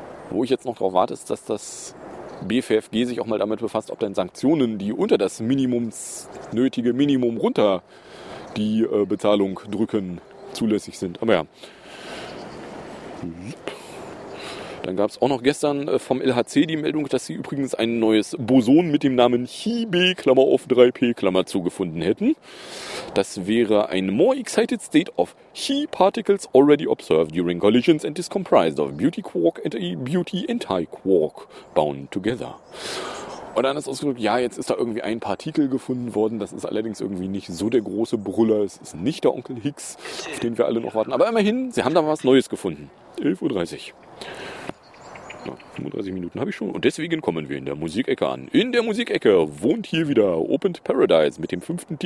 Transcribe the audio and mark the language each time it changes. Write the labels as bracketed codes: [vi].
[de] Wo ich jetzt noch drauf warte, ist, dass das BVFG sich auch mal damit befasst, ob denn Sanktionen, die unter das nötige Minimum runter die Bezahlung drücken, zulässig sind. Aber ja. Dann gab es auch noch gestern vom LHC die Meldung, dass sie übrigens ein neues Boson mit dem Namen Chi-B, Klammer auf 3P, Klammer zu, gefunden hätten. Das wäre ein [en] more excited state of Chi particles already observed during collisions and is comprised of beauty quark and a beauty anti-quark bound together. [de] Und anders ausgedrückt, ja, jetzt ist da irgendwie ein Partikel gefunden worden. Das ist allerdings irgendwie nicht so der große Brüller. Es ist nicht der Onkel Higgs, auf den wir alle noch warten. Aber immerhin, sie haben da was Neues gefunden. 11.30 Uhr. 35 Minuten habe ich schon und deswegen kommen wir in der Musikecke an. In der Musikecke wohnt hier wieder Opened Paradise mit dem 5.